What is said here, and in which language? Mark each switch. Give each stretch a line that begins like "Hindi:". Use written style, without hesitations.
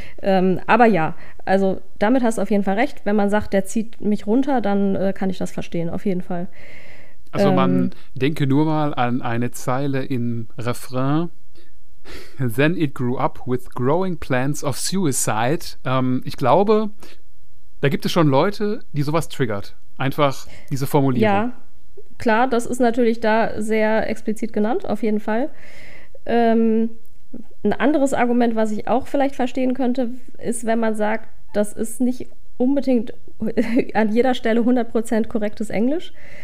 German: Aber ja, also damit hast du auf jeden Fall recht. Wenn man sagt, der zieht mich runter, dann kann ich das verstehen, auf jeden Fall. Also man denke nur mal an eine Zeile im Refrain.
English: Then it grew up with growing plans of suicide.
German: Ich glaube, da gibt es schon Leute, die sowas triggert. Einfach diese Formulierung. Ja, klar, das ist natürlich da sehr explizit genannt, auf jeden Fall. Ein anderes Argument, was ich auch vielleicht verstehen könnte, ist, wenn man sagt, das ist nicht unbedingt an jeder Stelle 100% korrektes Englisch.